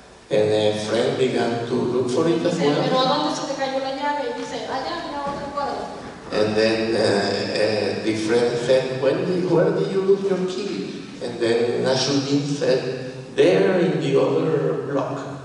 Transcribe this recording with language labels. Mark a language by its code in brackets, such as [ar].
[en] And a friend began to look for it as well. [es] Pero ¿a dónde se te cayó la llave? Y dice, allá, mira otra cuadra. [en] And then the friend said, where did you lose your key? And then Nasruddin said, there in the other block.